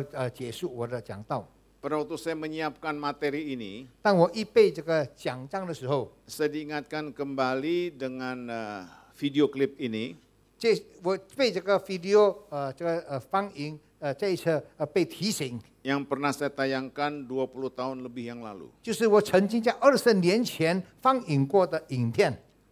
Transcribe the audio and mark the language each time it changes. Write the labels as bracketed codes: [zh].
[id] Pada waktu saya menyiapkan materi ini, saya diingatkan kembali dengan video klip ini. [zh] 这我被这个video这个放映，这一次被提醒。 [id] Yang pernah saya tayangkan 20 tahun lebih yang lalu. [zh] 就是我曾经在20年前放映过的影片。